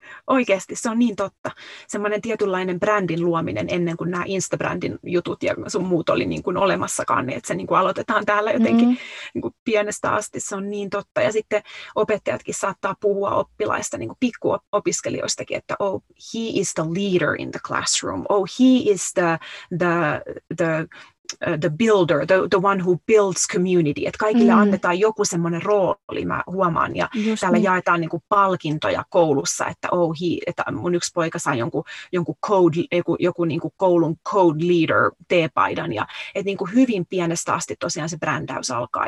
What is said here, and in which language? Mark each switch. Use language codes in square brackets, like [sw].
[fi] Oikeasti, se on niin totta. Semmoinen tietynlainen brändin luominen ennen kuin nämä Insta-brändin jutut ja sun muut oli niin kuin olemassakaan, niin että se niin kuin aloitetaan täällä jotenkin niin kuin pienestä asti, se on niin totta. Ja sitten opettajatkin saattaa puhua oppilaista, niin kuin pikkuopiskelijoistakin, että [en] oh, he is the [fi] leader in the classroom. Oh, he is the [en] the builder, the one who builds community. [fi] Että kaikille annetaan joku semmoinen rooli, mä huomaan. Ja just täällä niin jaetaan niinku palkintoja koulussa, että, oh, he, että mun yksi poika sai jonkun code, joku niinku koulun code leader T-paidan. Että niinku hyvin pienestä asti tosiaan se brändäys alkaa.